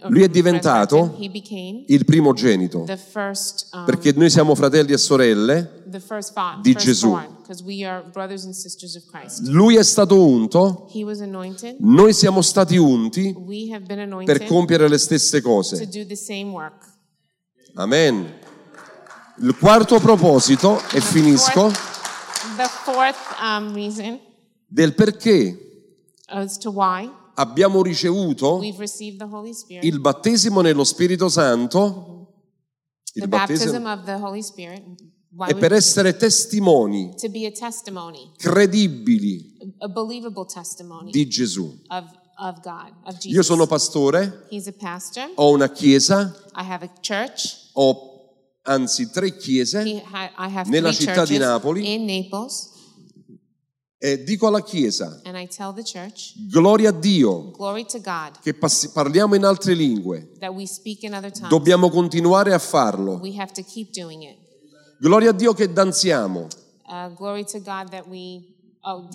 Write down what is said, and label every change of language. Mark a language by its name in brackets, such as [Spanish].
[Italian] lui è diventato il primogenito. [English] The first, [Italian] perché noi siamo fratelli e sorelle di Gesù. [English] We are brothers and sisters of Christ. [Italian] Lui è stato unto. [English] He was anointed. [Italian] Noi siamo stati unti, [English] we have been anointed, [Italian] per compiere le stesse cose. [English] To do the same work. Amen. [Italian] Il quarto proposito, e finisco. [English] The fourth reason [Italian] del perché [English] as to why [Italian] abbiamo ricevuto, [English] we've received the Holy Spirit, [Italian] il battesimo nello Spirito Santo, [English] mm-hmm, il baptism of the Holy Spirit, [Italian] why è per essere testimoni, [English] to be a testimony, [Italian] credibili, [English] a believable testimony, [Italian] di Gesù, [English] of God, of Jesus. [Italian] Io sono pastore, [English] he's a pastor, [Italian] ho una chiesa, [English] I have a church, [Italian] ho anzi tre chiese nella città di Napoli, [English] in Naples, [Italian] e dico alla chiesa, [English] and I tell the church, [Italian] gloria a Dio, [English] glory to God, [Italian] che parliamo in altre lingue, [English] that we speak in other tongues, [Italian] dobbiamo continuare a farlo, [English] we have to keep doing it. [Italian] Gloria a Dio che danziamo, [English] glory to God that we, oh, dance,